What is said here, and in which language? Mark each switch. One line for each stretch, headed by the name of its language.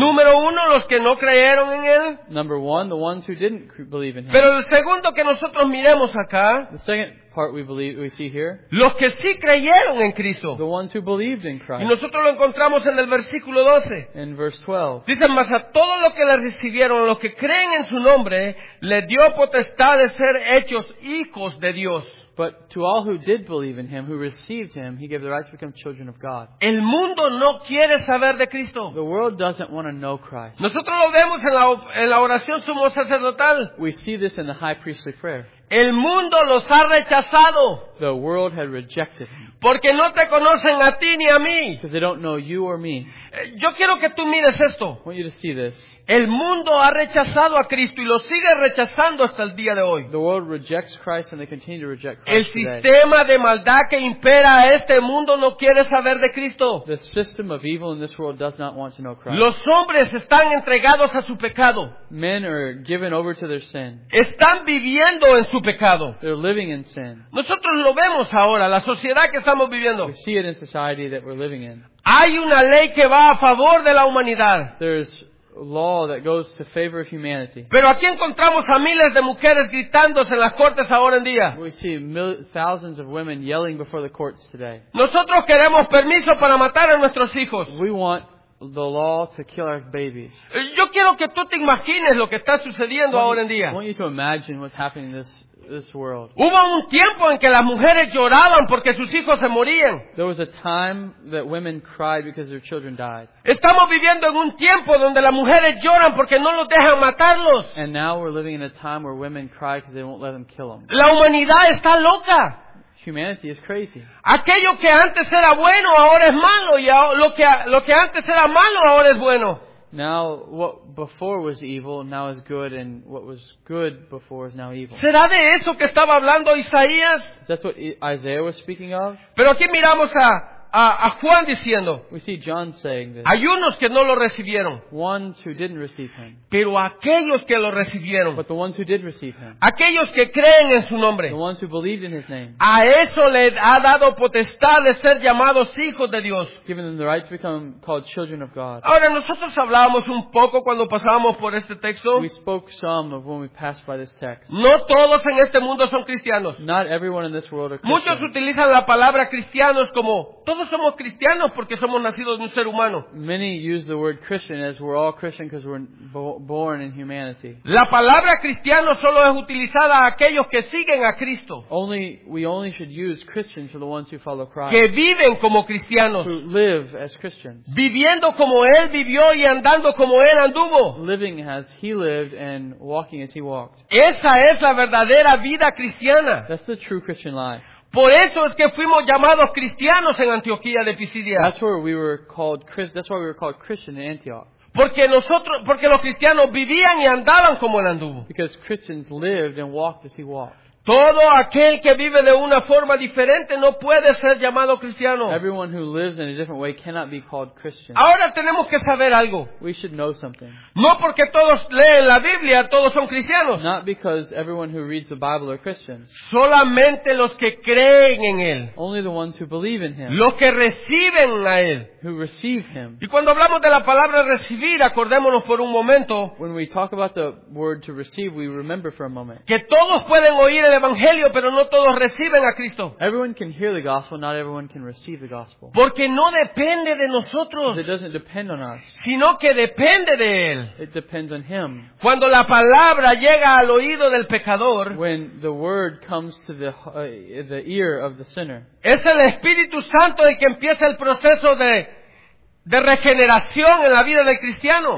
Spanish: Número uno, los que no creyeron en él.
English: Number one, the ones who didn't believe in him.
Spanish: Pero el segundo que nosotros miremos acá.
English: The second part we see here.
Spanish: Los que sí creyeron en Cristo.
English: The ones who believed in Christ.
Spanish: Y nosotros lo encontramos en el versículo 12.
English: In verse 12.
Spanish: Dice, mas a todos los que le recibieron, los que creen en su nombre, le dio potestad de ser hechos hijos de Dios.
English: But to all who did believe in him, who received him, he gave the right to become children of God.
Spanish: El mundo no quiere saber de Cristo.
English: The world doesn't want to know Christ.
Spanish: Nosotros lo vemos en la oración sumo sacerdotal.
English: We see this in the high priestly prayer.
Spanish: El mundo los ha rechazado.
English: The world had rejected him.
Spanish: Porque no te conocen a ti ni a mí.
English: Because they don't know you or me.
Spanish: Yo quiero que tú mires esto.
English: I want you to see this.
Spanish: El mundo ha rechazado a Cristo y lo sigue rechazando hasta el día de hoy.
English: The world rejects Christ and they continue to reject Christ.
Spanish: El sistema
English: today.
Spanish: De maldad que impera a este mundo no quiere saber de Cristo.
English: The system of evil in this world does not want to know Christ.
Spanish: Los hombres están entregados a su pecado.
English: Men are given over to their sin.
Spanish: Están viviendo en su pecado.
English: They're living in sin.
Spanish: Nosotros lo vemos ahora, la sociedad que estamos viviendo.
English: We see it in society that we're living in.
Spanish: Hay una ley que va a favor de la humanidad.
English: There's law that goes to favor of humanity.
Spanish: Pero aquí encontramos a miles de mujeres gritándose en las cortes ahora en día.
English: We see thousands of women yelling before the courts today.
Spanish: Nosotros queremos permiso para matar a nuestros hijos.
English: We want the law to kill our babies.
Spanish: Yo quiero que tú te imagines lo que está sucediendo ahora en día.
English: I want you to imagine what's happening this this world.
Spanish: Hubo un tiempo en que las mujeres lloraban porque sus hijos se morían.
English: There was a time that women cried because their children died.
Spanish: Estamos viviendo en un tiempo donde las mujeres lloran porque no los dejan matarlos.
English: And now we're living in a time where women cry because they won't let them kill them.
Spanish: La humanidad está loca.
English: Humanity is crazy.
Spanish: Aquello que antes era bueno ahora es malo, y lo que antes era malo ahora es bueno.
English: Now what before was evil now is good, and what was good before is now evil.
Spanish: ¿Será de eso que estaba hablando Isaías?
English: Is that what Isaiah was speaking of?
Spanish: Pero aquí miramos a Juan diciendo.
English: We see John saying this.
Spanish: Hay unos que no lo recibieron.
English: Ones who didn't receive him.
Spanish: Pero aquellos que lo recibieron.
English: But the ones who did receive him.
Spanish: Aquellos que creen en su nombre.
English: The ones who believed in his name.
Spanish: A eso le ha dado potestad de ser llamados hijos de Dios.
English: Given them the right to become called children of God.
Spanish: Ahora nosotros hablábamos un poco cuando pasábamos por este texto.
English: We spoke some of when we passed by this text.
Spanish: No todos en este mundo son cristianos.
English: Not everyone in this world are Christians.
Spanish: Muchos utilizan la palabra cristianos como todos somos cristianos porque somos nacidos de un ser humano.
English: Many use the word Christian as we're all Christian because we're born in humanity.
Spanish: La palabra cristiano solo es utilizada a aquellos que siguen a Cristo.
English: We only should use Christians for the ones who follow Christ.
Spanish: Que viven como cristianos.
English: Who live as Christians.
Spanish: Viviendo como él vivió y andando como él anduvo.
English: Living as he lived and walking as he walked.
Spanish: Esa es la verdadera vida cristiana.
English: That's the true Christian life.
Spanish: Por eso es que fuimos llamados cristianos en Antioquía de Pisidia.
English: That's why we were called Christian in Antioch.
Spanish: Porque los cristianos vivían y andaban como él anduvo.
English: Because Christians lived and walked as he walked.
Spanish: Todo aquel que vive de una forma diferente no puede ser llamado cristiano.
English: Everyone who lives in a different way cannot be called Christian.
Spanish: Ahora tenemos que saber algo.
English: We should know something.
Spanish: No porque todos leen la Biblia todos son cristianos.
English: Not because everyone who reads the Bible are Christians.
Spanish: Solamente los que creen en él.
English: Only the ones who believe in him.
Spanish: Los que reciben a él.
English: Who receive him.
Spanish: Y cuando hablamos de la palabra recibir, acordémonos por un momento.
English: When we talk about the word to receive, we remember for a moment.
Spanish: Que todos pueden oír el evangelio, pero no todos reciben a Cristo.
English: Everyone can hear the gospel, not everyone can receive the gospel.
Spanish: Porque no depende de nosotros.
English: It doesn't depend on us.
Spanish: Sino que depende de él.
English: It depends on him.
Spanish: Cuando la palabra llega al oído del pecador,
English: when the word comes to the ear of the sinner,
Spanish: es el Espíritu Santo el que empieza el proceso de regeneración en la vida del cristiano.